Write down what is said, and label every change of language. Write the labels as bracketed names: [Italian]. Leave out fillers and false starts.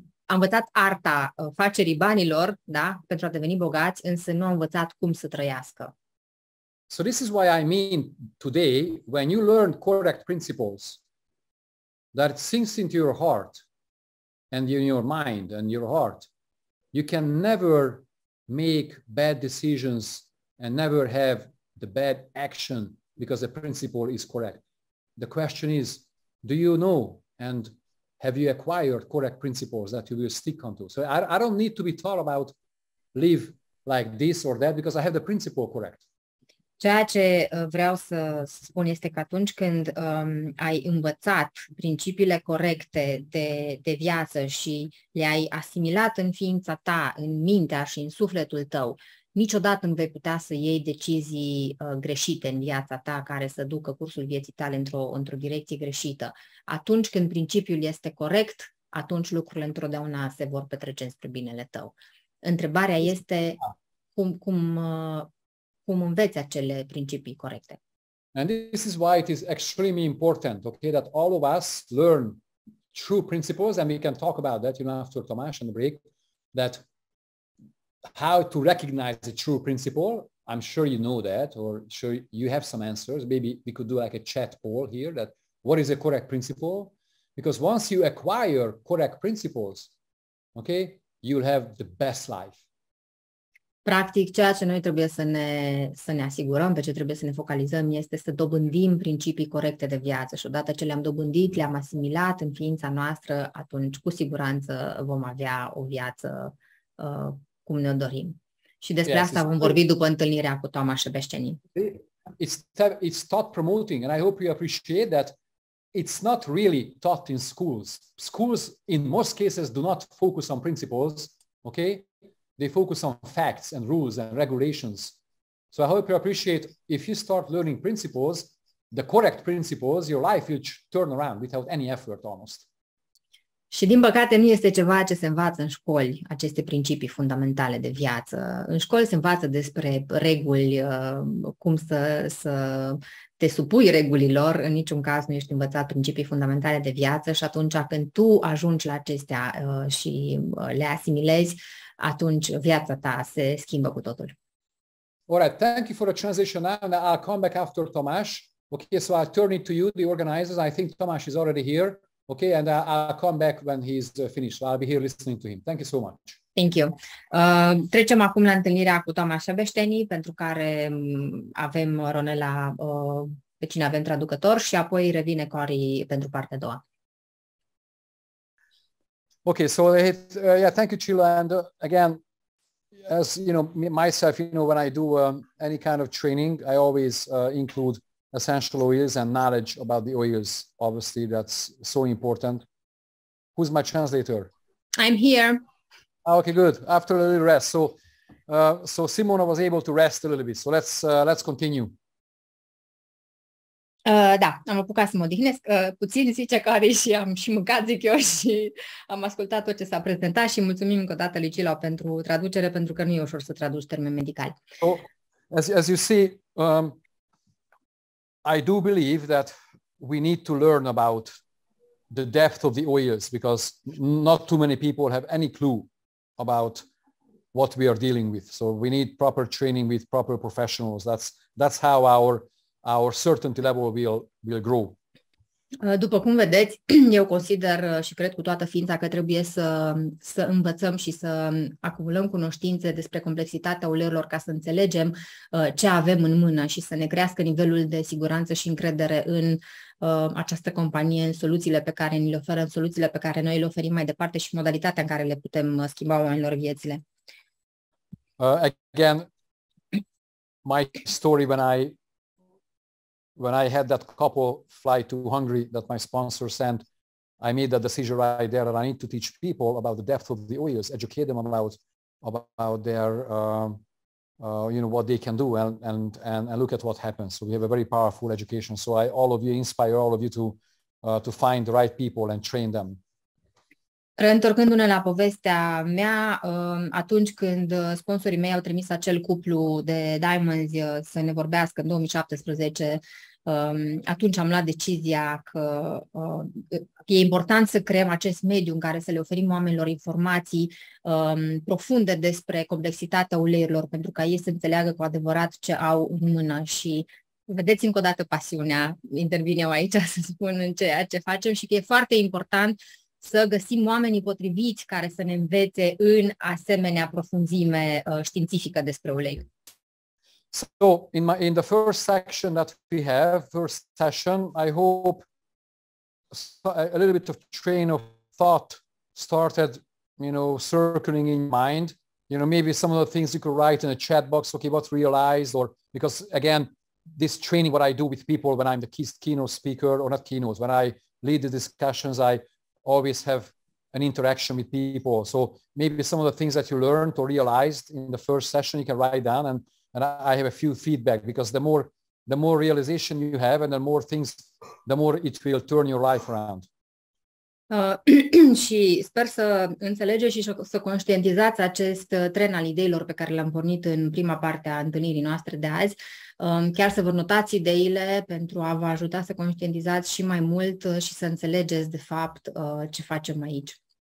[Romanian] Am învățat arta facerii banilor, da, pentru a deveni bogați, însă nu am învățat cum să trăiască. [English] So this is why I mean today, when you learn correct principles, that sinks into your heart and in your mind and your heart, you can never make bad decisions and never have the bad action because the principle is correct. The question is, do you know and have you acquired correct principles that you will stick onto? So I don't need to be taught about live like this or that because I have the principle correct. [Romanian] Ceea ce vreau să spun este că atunci când ai învățat principiile corecte de viață și le-ai asimilat în ființa ta, în mintea și în sufletul tău, niciodată nu vei putea să iei decizii greșite în viața ta care să ducă cursul vieții tale într-o direcție greșită. Atunci când principiul este corect, atunci lucrurile întotdeauna se vor petrece spre binele tău. Întrebarea este cum înveți acele principii corecte. [English] And this is why it is extremely important, okay, that all of us learn true principles, and we can talk about that, you know, after Tomáš and the break, that how to recognize the true principle. I'm sure you know that, or sure you have some answers. Maybe we could do like a chat poll here, that what is a correct principle? Because once you acquire correct principles, okay, you'll have the best life. [Romanian] Practic, ceea ce noi trebuie să ne asigurăm, pe ce trebuie să ne focalizăm, este să dobândim principii corecte de viață și odată ce le-am dobândit, le-am asimilat în ființa noastră, atunci cu siguranță vom avea o viață cum ne-o dorim. Și despre asta vom vorbi după întâlnirea cu Tomáš a Beștenin. [English] It's taught promoting and I hope you appreciate that it's not really taught in schools. Schools, in most cases, do not focus on principles, okay? They focus on facts and rules and regulations. So I hope you appreciate if you start learning principles, the correct principles, your life will turn around without any effort almost. [Romanian] Și din păcate nu este ceva ce se învață în școli, aceste principii fundamentale de viață. În școli se învață despre reguli, cum să te supui regulilor, în niciun caz nu ești învățat principii fundamentale de viață și atunci când tu ajungi la acestea și le asimilezi, atunci viața ta se schimbă cu totul. [English] All right, thank you for the transition now and I'll come back after Tomáš. Okay, so I'll turn it to you, the organizers. I think Tomáš is already here. Okay, and I'll come back when he's finished. I'll be here listening to him. Thank you so much. Thank you. [Romanian] Trecem acum la întâlnirea cu Tomáš a Beștenin, pentru care avem Ronela, pe cine avem traducător, și apoi revine Cori pentru partea a doua. [English] Okay, so thank you, Chilo. And again, as you know, myself, you know, when I do any kind of training, I always include essential oils and knowledge about the oils. Obviously, that's so important. Who's my translator? I'm here. Okay, good. After a little rest, so Simona was able to rest a little bit. So let's continue. [Romanian] Da, am apucat să mă odihnesc puțin, zice Cori, și am și mâncat, zic eu, și am ascultat tot ce s-a prezentat și mulțumim încă o dată lui Cilo pentru traducere, pentru că nu e ușor să traduci termeni medicali. [English] So, as you see, I do believe that we need to learn about the depth of the oils, because not too many people have any clue about what we are dealing with. So we need proper training with proper professionals. That's how our certainty level will grow. [Romanian] După cum vedeți, eu consider și cred cu toată ființa că trebuie să învățăm și să acumulăm cunoștințe despre complexitatea uleiurilor ca să înțelegem ce avem în mână și să ne crească nivelul de siguranță și încredere în această companie, în soluțiile pe care ni le oferă, în soluțiile pe care noi le oferim mai departe și modalitatea în care le putem schimba oamenilor viețile. [English] Again, my story when I had that couple fly to Hungary that my sponsor sent, I made that decision right there that I need to teach people about the depth of the oils, educate them about their, you know, what they can do and look at what happens. So we have a very powerful education. So I, all of you, inspire all of you to find the right people and train them. [Romanian] Reîntorcându-ne la povestea mea, atunci când sponsorii mei au trimis acel cuplu de Diamonds să ne vorbească în 2017, atunci am luat decizia că e important să creăm acest mediu în care să le oferim oamenilor informații profunde despre complexitatea uleiurilor, pentru ca ei să înțeleagă cu adevărat ce au în mână. Și vedeți încă o dată pasiunea, intervin eu aici să spun în ceea ce facem și că e foarte important să găsim oamenii potriviți care să ne învețe în asemenea profunzime științifică despre ulei. [English] So in the first section that we have, first session, I hope a little bit of train of thought started, you know, circling in mind. You know, maybe some of the things you could write in a chat box, okay, what realized, or because again, this training, what I do with people when I'm the keynote speaker, or not keynotes, when I lead the discussions, I always have an interaction with people. So maybe some of the things that you learned or realized in the first session, you can write down, and I have a few feedback, because the more realization you have, and the more things, the more it will turn your life around. [Romanian] Și sper să înțelegeți și să conștientizați acest tren al ideilor pe care l-am pornit în prima parte a întâlnirii noastre de azi. Chiar să vă notați ideile pentru a vă ajuta să conștientizați și mai mult și să înțelegeți de fapt ce facem aici.